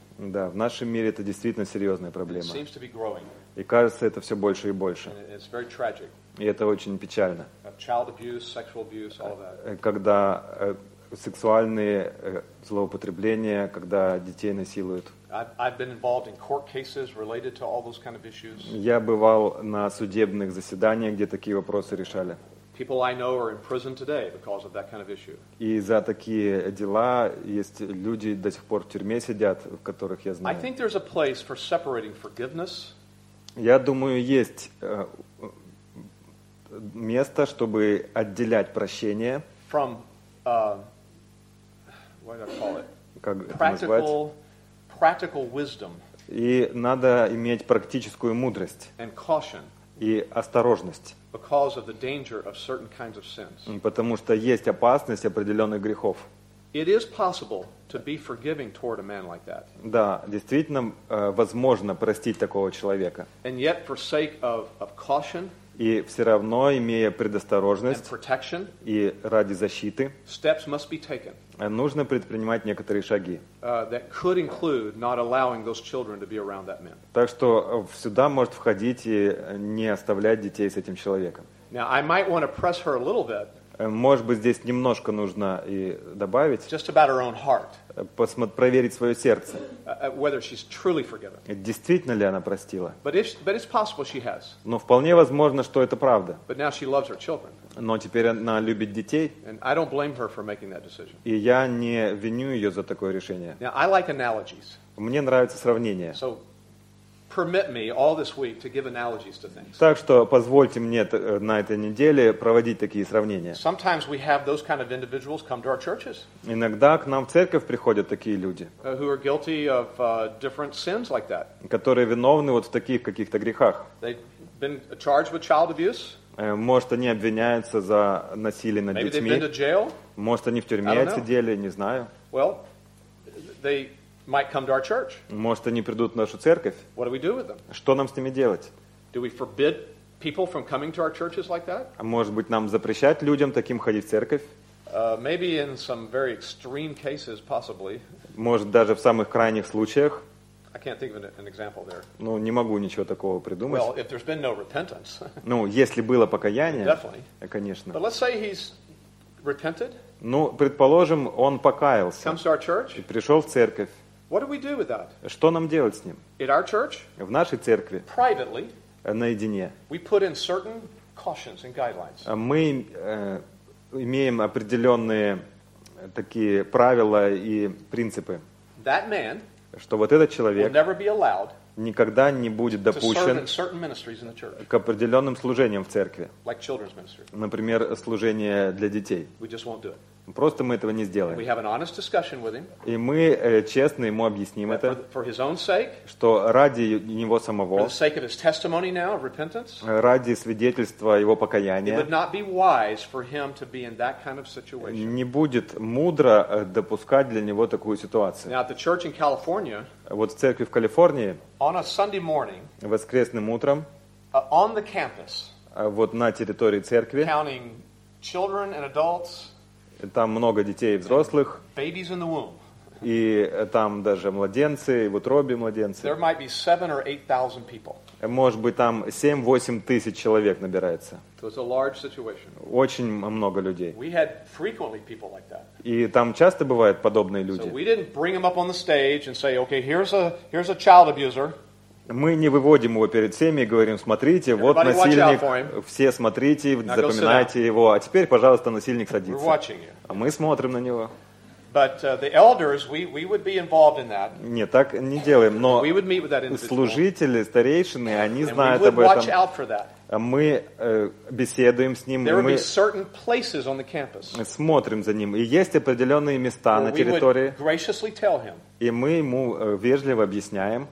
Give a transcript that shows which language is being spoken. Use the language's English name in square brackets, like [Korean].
[Russian] Да, в нашем мире это действительно серьезная проблема. [English] It seems to be growing. [Russian] И кажется, это все больше и больше. [English] And it's very tragic. [Russian] И это очень печально. [English] Child abuse, sexual abuse, all that. [Russian] Когда сексуальные злоупотребления, когда детей насилуют. [English] I've been involved in court cases related to all those kind of issues. [Russian] Я бывал на судебных заседаниях, где такие вопросы решали. [English] People I know are in prison today because of that kind of issue. [Russian] И за такие дела есть люди до сих пор в тюрьме сидят, в которых я знаю. [English] I think there's a place for separating forgiveness. [Russian] Я думаю, есть место, чтобы отделять прощение [English] from, what do I call it? [Russian] Как [English] practical wisdom. [Russian] И надо иметь практическую мудрость [English] and caution [Russian] и осторожность [English] because of the danger of certain kinds of sins. [Russian] Потому что есть опасность определенных грехов. [English] It is possible to be forgiving toward a man like that. [Russian] Да, действительно возможно простить такого человека. [English] And yet for sake of caution. [Russian] И все равно, имея предосторожность и ради защиты, [English] steps must be taken, [Russian] нужно предпринимать некоторые шаги. [English] That could include not allowing those children to be around that man. [Russian] Так что сюда может входить и не оставлять детей с этим человеком. [English] Now, I might want to press her a little bit, [Russian] может быть, здесь немножко нужно и добавить, [English] just about her own heart, [Russian] проверить свое сердце, [English] whether she's truly forgiven. [Russian] Действительно ли она простила? [English] But it's possible she has. [Russian] Но вполне возможно, что это правда. [English] But now she loves her children. [Russian] Но теперь она любит детей. [English] And I don't blame her for making that decision. [Russian] И я не виню ее за такое решение. [English] Now, I like analogies. [Russian] Мне нравятся сравнения. [English] So, permit me all this week to give analogies to things. [Russian] Так что позвольте мне на этой неделе проводить такие сравнения. [English] Sometimes we have those kind of individuals come to our churches. [Russian] Иногда к нам в церковь приходят такие люди. [English] Who are guilty of different sins like that. [Russian] Которые виновны вот в таких каких-то грехах. [English] They've been charged with child abuse. [Russian] Может, они обвиняются за насилие над [English] Maybe [Russian] детьми. [English] They've been to jail. [Russian] Может, они в тюрьме сидели, не знаю. [English] Well, they might come to our church. [Russian] Может, они придут в нашу церковь. [English] What do we do with them? [Russian] Что нам с ними делать? [English] Do we forbid people from coming to our churches like that? [Russian] Может быть, нам запрещать людям таким ходить в церковь? [English] Maybe in some very extreme cases, possibly. [Russian] Может, даже в самых крайних случаях. [English] I can't think of an example there. [Russian] Ну, не могу ничего такого придумать. [English] Well, if there's been no repentance. [Russian] Ну, если было покаяние. [English] Definitely. [Russian] Конечно. [English] But let's say he's repented. [Russian] Ну, предположим, он покаялся. [English] Comes to our church. [Russian] И пришел в церковь. [English] What do we do with that? [Russian] Что нам делать с ним? [English] In our church? [Russian] В нашей церкви. [English] Privately. [Russian] Наедине. [English] We put in certain cautions and guidelines. [Russian] Мы имеем определенные такие правила и принципы. [English] That man. [Russian] Что вот этот человек [English] will never be allowed [Russian] никогда не будет допущен [English] to serve in certain ministries in the church. [Russian] К определенным служениям в церкви. [English] Like children's ministry. [Russian] Например, служение для детей. [English] We just won't do it. [Russian] Просто мы этого не сделаем. [English] We have an honest discussion with him, [Russian] и мы честно ему объясним это, [English] for his own sake, [Russian] что ради него самого, [English] for the sake of his testimony now, of repentance, [Russian] ради свидетельства его покаяния, [English] it would not be wise for him to be in that kind of situation. [Russian] Не будет мудро допускать для него такую ситуацию. [English] Now, at the church in California, [Russian] вот в церкви в Калифорнии, [English] on a Sunday morning, [Russian] воскресным утром, [English] on the campus, [Russian] вот на территории церкви, [English] counting children and adults, [Russian] там много детей и взрослых. [English] Babies in the womb. [Russian] И там даже младенцы, в утробе младенцы. [English] There might be 7 or 8,000 people. [Russian] Может быть, там 7-8 тысяч человек набирается. [English] So it's a large situation. [Russian] Очень много людей. [English] We had frequently people like that. [Russian] И там часто бывают подобные люди. [English] So we didn't bring them up on the stage and say, okay, here's a child abuser. [Russian] Мы не выводим его перед всеми и говорим, смотрите, [English] Everybody [Russian] вот насильник, все смотрите, [English] Now [Russian] запоминайте его, а теперь, пожалуйста, насильник садится. А мы смотрим на него. [English] But, the elders, we would be involved in that. [Russian] Нет, так не делаем, но служители, старейшины, они [English] And [Russian] знают [English] we would [Russian] об [English] watch [Russian] этом. [English] Out for that. [Russian] Мы беседуем с ним, [English] There [Russian] мы [English] be certain places on the campus. [Russian] Смотрим за ним. И есть определенные места [English] Where [Russian] на территории. [English] We would graciously tell him, [Russian] и мы ему вежливо объясняем.